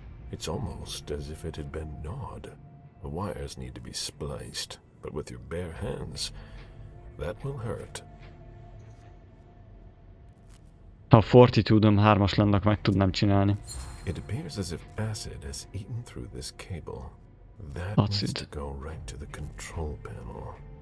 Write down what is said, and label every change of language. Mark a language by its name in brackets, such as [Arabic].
[English] It's almost as if it had been gnawed. The wires need to be spliced, but with your bare hands, that will hurt. [Hungarian] Ha fortitúdom 3-as lennak, meg tudnám csinálni. [English] It appears as if acid has eaten through this cable. That acid needs to go right to the control panel.